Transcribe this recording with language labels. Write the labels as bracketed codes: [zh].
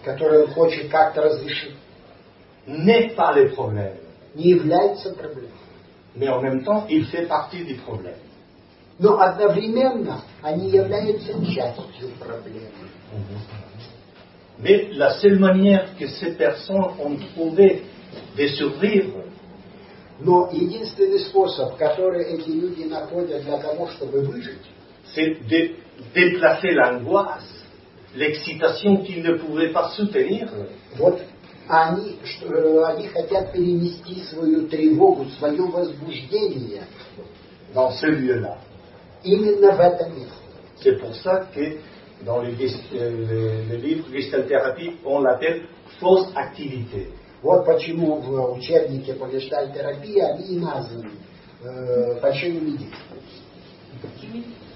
[ru] который он хочет как-то разрешить, [fr] n'est pas le problème. [ru] Не является проблемой. [fr] Mais en même temps, il fait partie du problème. [ru] Но одновременно они являются частью проблемы. [fr] Mais la seule manière que ces personnes ont trouvé de survivre. [ru] Но единственный способ, который эти люди находят для того, чтобы выжить, [fr] c'est de déplacer l'angoisse, l'excitation qu'ils ne pouvaient pas soutenir. [ru] Вот они, что, они хотят перенести свою тревогу, свое возбуждение [fr] dans ce lieu-là. [ru] Именно в это место. [fr] C'est pour ça que dans le livre Gestalt-thérapie, on l'appelle fausse activité. [ru] Вот почему в учебнике по гештальт-терапии они и названы фальшивыми действиями.